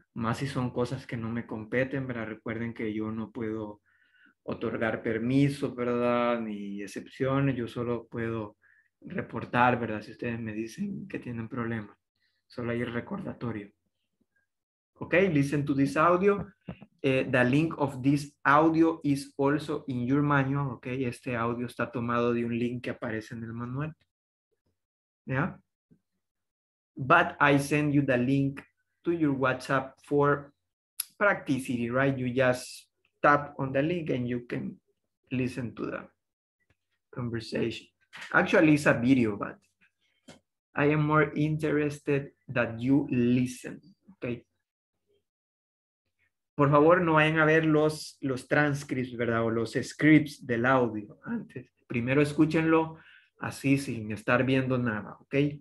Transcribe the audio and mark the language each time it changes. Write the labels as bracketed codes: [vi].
[es] Más si son cosas que no me competen, ¿verdad? Recuerden que yo no puedo otorgar permisos, ¿verdad? Ni excepciones, yo solo puedo reportar, ¿verdad? Si ustedes me dicen que tienen problemas, solo hay el recordatorio. [en] Ok, listen to this audio. The link of this audio is also in your manual, ok? [es] Este audio está tomado de un link que aparece en el manual. [en] Yeah? But I send you the link to your WhatsApp for practicity, right? You just tap on the link and you can listen to the conversation. Actually, it's a video, but I am more interested that you listen, ok? [es] Por favor, no vayan a ver los transcripts, ¿verdad? O los scripts del audio antes. Primero escúchenlo así, sin estar viendo nada, ¿ok?